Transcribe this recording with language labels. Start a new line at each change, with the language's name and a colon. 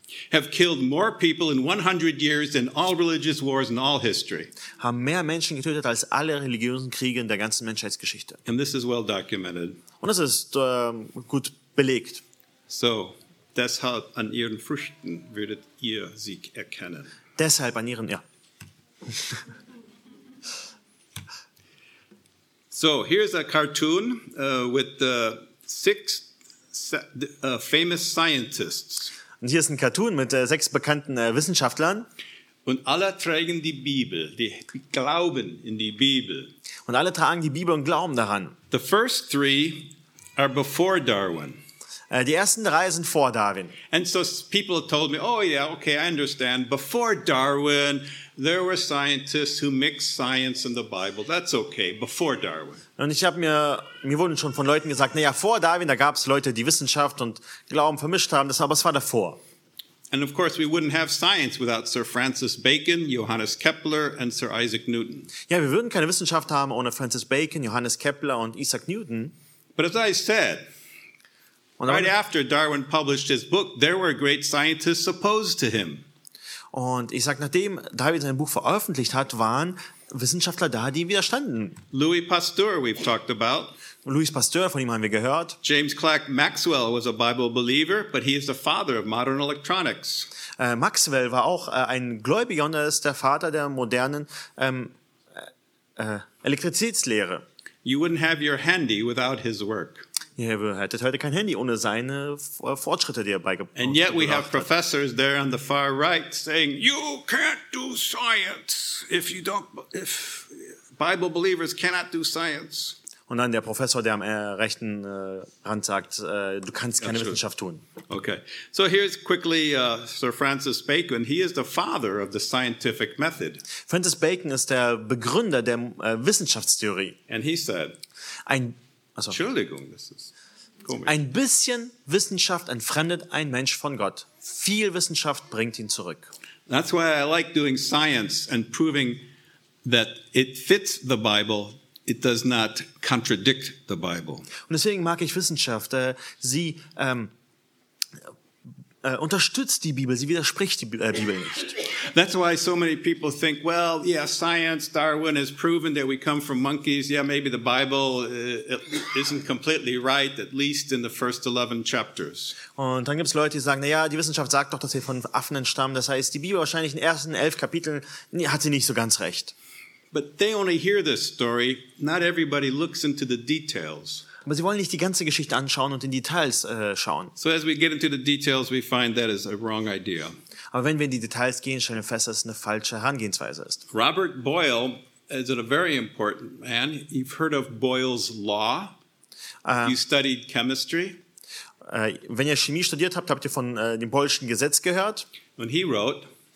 English: have killed more people in 100 years than all religious wars in all history.
German: Haben mehr Menschen getötet als alle religiösen Kriege in der ganzen Menschheitsgeschichte.
English: And this is well documented.
German: Und das ist gut belegt. So, deshalb an ihren Früchten würdet ihr sie erkennen. Deshalb an ihren, ja.
English: So, here's a cartoon with the six famous scientists.
German: Und hier ist ein Cartoon mit sechs bekannten Wissenschaftlern. Und alle tragen die Bibel, die glauben in die Bibel. Und alle tragen die Bibel und glauben daran.
English: The first three are before Darwin.
German: Die ersten drei sind vor Darwin.
English: And so people told me, oh yeah, okay, I understand. Before Darwin, there were scientists who mixed science and the Bible. That's okay, before Darwin.
German: Und ich habe mir wurden schon von Leuten gesagt, naja, vor Darwin, da gab es Leute, die Wissenschaft und Glauben vermischt haben, aber es war davor.
English: And of course we wouldn't have science without Sir Francis Bacon, Johannes Kepler and Sir Isaac Newton.
German: Ja, wir würden keine Wissenschaft haben ohne Francis Bacon, Johannes Kepler und Isaac Newton.
English: But as I said, right after Darwin published his book, there were great scientists opposed to him.
German: Und ich sag, nachdem Darwin sein Buch veröffentlicht hat, waren Wissenschaftler da, die ihm widerstanden.
English: Louis Pasteur, we've talked about.
German: Louis Pasteur, von ihm haben wir gehört.
English: James Clerk Maxwell was a Bible believer, but he is the father of modern electronics.
German: Maxwell war auch ein Gläubiger und er ist der Vater der modernen Elektrizitätslehre.
English: You wouldn't have your handy without his work.
German: Ihr hättet heute kein Handy ohne seine Fortschritte, die er beigebracht hat.
English: And yet we have professors there on the far right saying, you can't do science if you don't, if Bible believers cannot do science.
German: Und dann der Professor, der am rechten Rand sagt, du kannst keine Wissenschaft tun.
English: Okay. So here's quickly Sir Francis Bacon. He is the father of the scientific method.
German: Francis Bacon ist der Begründer der Wissenschaftstheorie.
English: And he said,
German: Entschuldigung, das ist komisch. Ein bisschen Wissenschaft entfremdet ein Mensch von Gott. Viel Wissenschaft bringt ihn zurück.
English: That's why I like doing science and proving that it fits the Bible. It does not contradict the Bible.
German: Und deswegen mag ich Wissenschaft. Sie unterstützt die Bibel. Sie widerspricht die Bibel nicht.
English: That's why so many people think, well, yeah, science, Darwin has proven that we come from monkeys. Yeah, maybe the Bible isn't completely right, at least in the first 11 chapters.
German: Und dann gibt's Leute, die sagen, naja, die Wissenschaft sagt doch, dass wir von Affen entstammen. Das heißt, die Bibel wahrscheinlich in den ersten 11 Kapiteln hat sie nicht so ganz recht.
English: But they only hear this story. Not everybody looks into the details.
German: Aber sie wollen nicht die ganze Geschichte anschauen und in Details schauen.
English: So as we get into the details, we find that is a wrong idea.
German: Aber wenn wir in die Details gehen, stellen wir fest, dass es eine falsche Herangehensweise ist.
English: Robert Boyle is a very important man. You've heard of Boyle's Law. You studied chemistry.
German: Wenn ihr Chemie studiert habt, habt ihr von dem Boyle'schen Gesetz gehört.
English: And he wrote.